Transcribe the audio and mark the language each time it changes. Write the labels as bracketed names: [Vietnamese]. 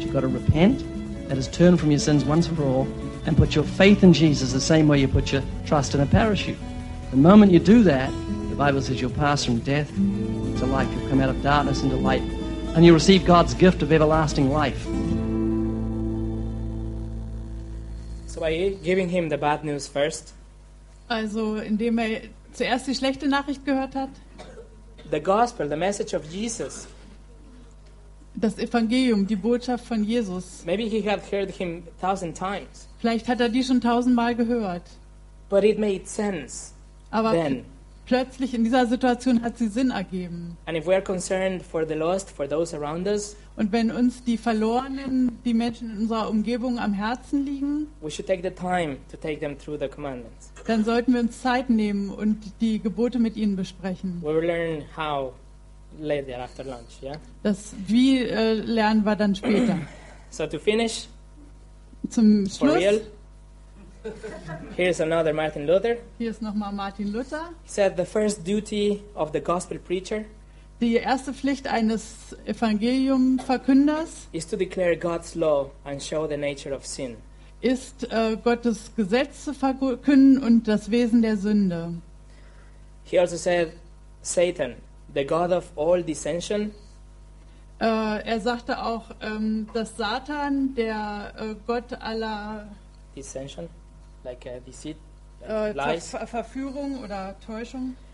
[English] You've got to repent, that is, turn from your sins once and for all, and put your faith in Jesus the same way you put your trust in a parachute. The moment you do that, the Bible says you'll pass from death to life. You'll come out of darkness into light, and you'll receive God's gift of everlasting life. So by giving him the bad news first, [German] also indem er zuerst die schlechte Nachricht gehört hat, [English] the gospel, the message of Jesus, [German] das Evangelium, die Botschaft von Jesus, [English] maybe he had heard him 1,000 times, [German] vielleicht hat er die schon 1,000 Mal gehört, [English] but it made sense. [German] Aber [English] then [German] plötzlich in dieser Situation hat sie Sinn ergeben. [English] And if we are concerned for the lost, for those around us, [German] und wenn uns die Verlorenen, die Menschen in unserer Umgebung am Herzen liegen, [English] we should take the time to take them through the commandments. [German] Dann sollten wir uns Zeit nehmen und die Gebote mit ihnen besprechen. [English] We will learn how later after lunch, yeah? [German] Das wie lernen wir dann später. [English] So to finish, [German] zum Schluss, [English] for real, here's another Martin Luther. [German] Hier ist noch mal Martin Luther. [English] He said the first duty of the gospel preacher, [German] die erste Pflicht eines Evangeliumverkünders, [English] is to declare God's law and show the nature of sin. [German] Ist Gottes Gesetz zu verkünden und das Wesen der Sünde. [English] He also said Satan, the god of all dissension. [German] Er sagte auch, dass Satan, der Gott aller [English] dissension, like deceit, [German] lies, Verführung oder Täuschung,